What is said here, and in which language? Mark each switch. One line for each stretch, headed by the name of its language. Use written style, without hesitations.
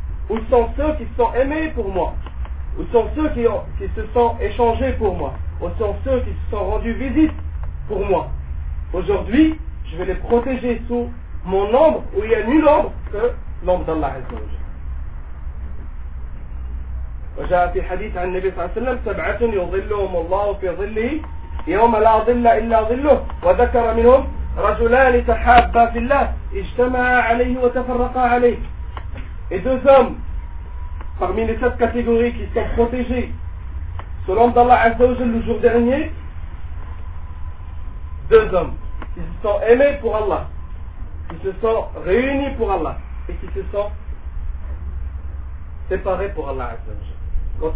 French: Où sont ceux qui sont aimés pour moi? Où sont ceux qui se sont échangés pour moi? Où sont ceux qui se sont rendus visite pour moi? Aujourd'hui, je vais les protéger sous mon ombre où il y a nul ombre que l'ombre d'Allah Azzawajal.
Arabic: وجاء في حديث عن النبي صلى الله عليه وسلم سبعة يظلهم الله في ظله يوم لا ظل إلا ظله وذكر منهم رجلان تحابا في الله اجتمعا عليه وتفرقا عليه.
French: Et deux hommes parmi les sept catégories qui sont protégés sous l'ombre d'Allah Azzawajal le jour dernier, deux hommes qui se sont aimés pour Allah, qui se sont réunis pour Allah et qui se sont séparés pour Allah Azza wa Jalla.